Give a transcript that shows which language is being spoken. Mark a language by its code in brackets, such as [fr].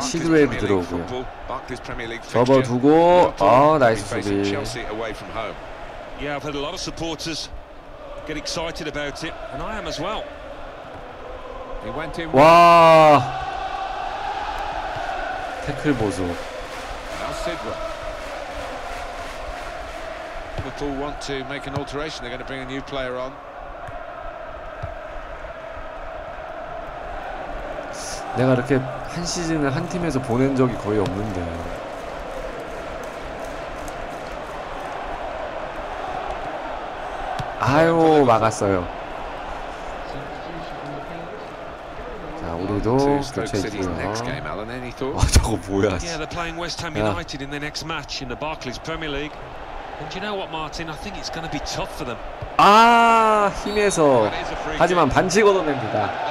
[ko] 시드웨이브 들어오고 접어두고 나이스 수비. [en] Yeah, I've had a lot of supporters get excited about it, and I am as well. He went in. [ko] 와 태클 보수. [en] Liverpool want to make an alteration. They're going to bring a new player on. [ko] 내가 이렇게 한 시즌을 한 팀에서 보낸 적이 거의 없는데. 아유 막았어요. 자 우리도 교체 있고요. 저거 뭐야. [en] Yeah, they're playing West Ham United in the next match in the Barclays Premier League. And you know what, Martin? I think it's going to be tough for them. [ko] 아 힘에서 하지만 반칙 얻어냅니다.